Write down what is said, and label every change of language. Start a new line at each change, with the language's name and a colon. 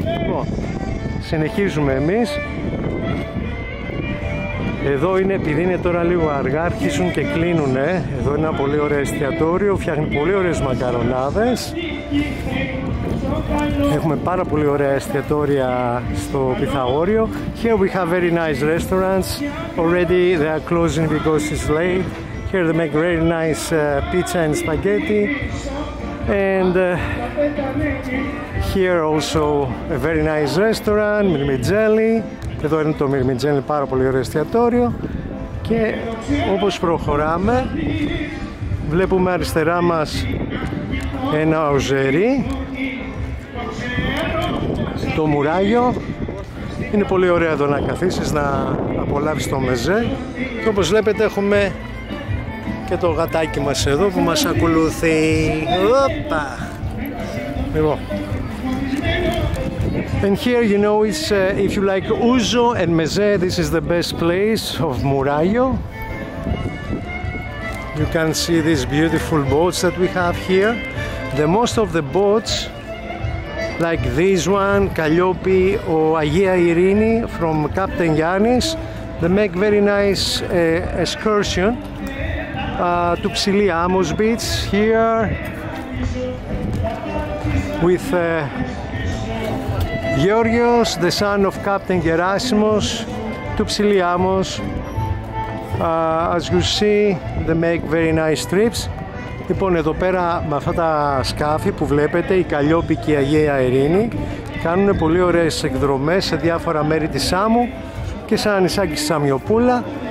Greek: Λοιπόν, συνεχίζουμε εμείς. Εδώ είναι, επειδή είναι τώρα λίγο αργά, αρχίσουν και κλείνουν. Εδώ είναι ένα πολύ ωραίο εστιατόριο, φτιάχνει πολύ ωραίες μακαρονάδες. Έχουμε πάρα πολύ ωραία εστιατόρια στο Πυθαγόριο.
English: Here we have very nice restaurants. Already they are closing because it's late. Here they make very nice pizza and spaghetti. And here also a very nice restaurant, Mirmigelli.
Greek: Εδώ είναι το Mirmigelli, πάρα πολύ ωραίο εστιατόριο. Και όπως προχωράμε, βλέπουμε αριστερά μας ένα οζερί. Το Μουράγιο είναι πολύ ωραίο εδώ να καθίσεις, να απολαύεις το μεζέ. Και όπως βλέπετε έχουμε και το γατάκι μας εδώ που μας ακολουθεί. Οπα! Λοιπόν.
English: And here, you know, it's, if you like ouzo and mezé, this is the best place of Μουράγιο. You can see these beautiful boats that we have here. The most of the boats, like this one, Calliope or Agia Irini from Captain Yannis, they make very nice excursion to Psili Amos Beach here with Georgios, the son of Captain Gerasimos, to Psili Amos. As you see, they make very nice trips.
Greek: Λοιπόν, εδώ πέρα με αυτά τα σκάφη που βλέπετε, η Καλλιόπη και η Αγία Ειρήνη κάνουν πολύ ωραίες εκδρομές σε διάφορα μέρη της Σάμου και σαν νησάκι στη Σαμιοπούλα.